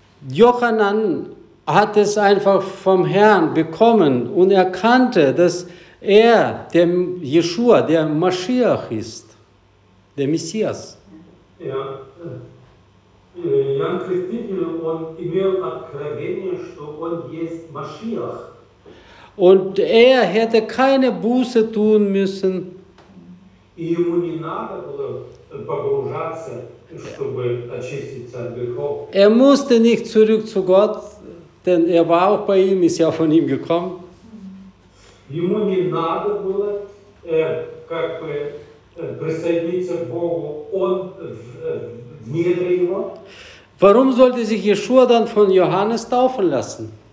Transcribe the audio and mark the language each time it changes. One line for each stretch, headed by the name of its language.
German: Johannes hat es einfach vom Herrn bekommen und erkannte, dass er der Jeschua, der Maschiach ist, der Messias. Ja.
Russian: Иоанн Креститель, он имел откровение, что он есть Машиах.
German: Und er hätte keine Buße tun müssen.
Russian: И ему не надо было погружаться, чтобы очиститься от грехов.
German: Er musste nicht zurück zu Gott, denn er war auch bei ihm, ist ja von ihm gekommen.
Russian: Ему не надо было как бы присоединиться к Богу, он в недре его.
German: Warum sollte sich Jeschua dann von Johannes taufen lassen?